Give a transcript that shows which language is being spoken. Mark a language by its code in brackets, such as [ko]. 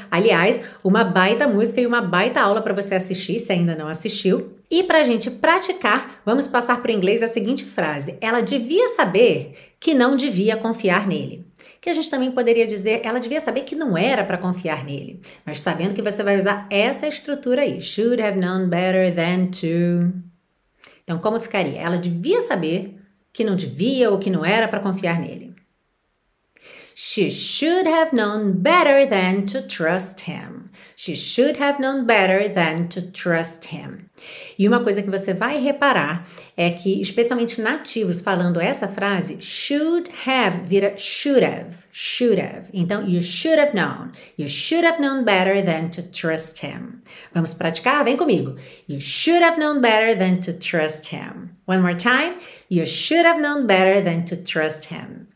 [pt] Aliás, uma baita música e uma baita aula para você assistir, se ainda não assistiu. E para a gente praticar, vamos passar para o inglês a seguinte frase. Ela devia saber que não devia confiar nele. Que a gente também poderia dizer, ela devia saber que não era para confiar nele. Mas sabendo que você vai usar essa estrutura aí. [en] Should have known better than to. [pt] Então, como ficaria? Ela devia saber que não devia ou que não era para confiar nele. [en] She should have known better than to trust him. She should have known better than to trust him. [pt] E uma coisa que você vai reparar é que, especialmente nativos falando essa frase, [en] should have [pt] vira [en] should have, should have. Então, you should have known. You should have known better than to trust him. [pt] Vamos praticar? Vem comigo. [en] You should have known better than to trust him. One more time. You should have known better than to trust him.